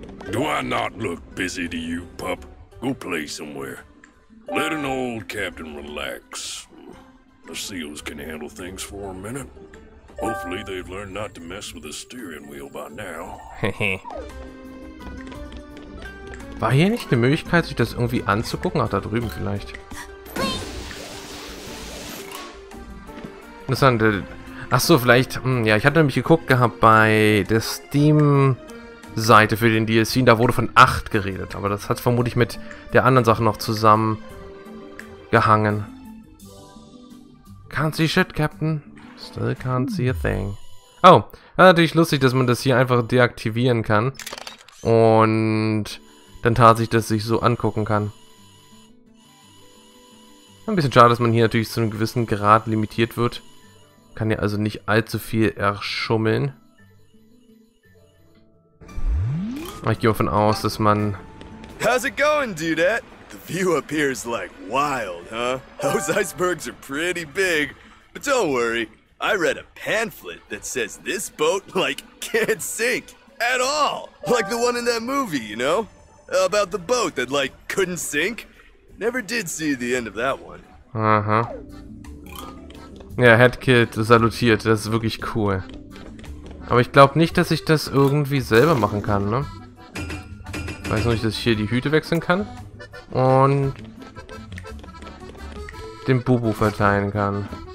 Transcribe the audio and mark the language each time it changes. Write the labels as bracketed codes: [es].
[en] Do I not look busy to you, pup? Go play somewhere. Let an old captain relax. The seals can handle things for a minute. Hopefully they've learned not to mess with the steering wheel by now. [de] War hier nicht eine Möglichkeit, sich das irgendwie anzugucken? Ach, da drüben vielleicht. Das handelt. Ach so, vielleicht. Ja, ich hatte nämlich geguckt gehabt bei der Steam-Seite für den DLC. Da wurde von 8 geredet. Aber das hat vermutlich mit der anderen Sache noch zusammen gehangen. [en] Can't see shit, Captain. Still can't see a thing. [de] Oh, war natürlich lustig, dass man das hier einfach deaktivieren kann. Und dann tat sich das sich so angucken kann. Ein bisschen schade, dass man hier natürlich zu einem gewissen Grad limitiert wird. Kann ja also nicht allzu viel erschummeln. Aber ich gehe davon aus, dass man... [en] How's it going, dude? The view up here is like wild, huh? Those icebergs are pretty big. But don't worry, I read a pamphlet that says this boat, like, can't sink at all. Like the one in that movie, you know? About the boat that, like, couldn't sink. Never did see the end of that one. [de] Ja, Headkit salutiert, das ist wirklich cool. Aber ich glaube nicht, dass ich das irgendwie selber machen kann, ne? Weiß nicht, dass ich hier die Hüte wechseln kann. Und den Bubu verteilen kann.